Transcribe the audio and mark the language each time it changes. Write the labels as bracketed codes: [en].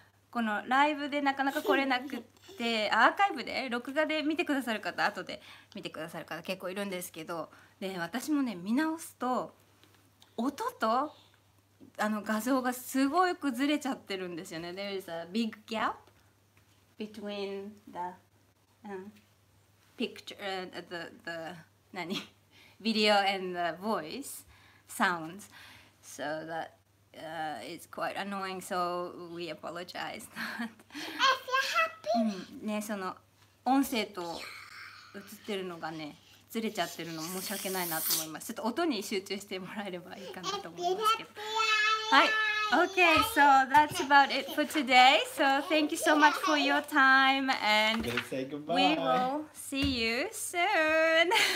[ja] このライブでなかなか来れなくて、アーカイブで、録画で見てくださる方、後で見てくださる方結構いるんですけど、で、私もね、見直すと、音と画像がすごい崩れちゃってるんですよね。 [en] There is a big gap between the picture, the video and the voice. Sounds so that it's quite annoying. So we apologize. That. If you're happy. [ja] ね、その音声と映ってるのがね、ずれちゃってるの申し訳ないなと思います。ちょっと音に集中してもらえればいいかなと思いますけど。 [en] はい。Okay. So that's about it for today. So thank you so much for your time, and we will see you soon.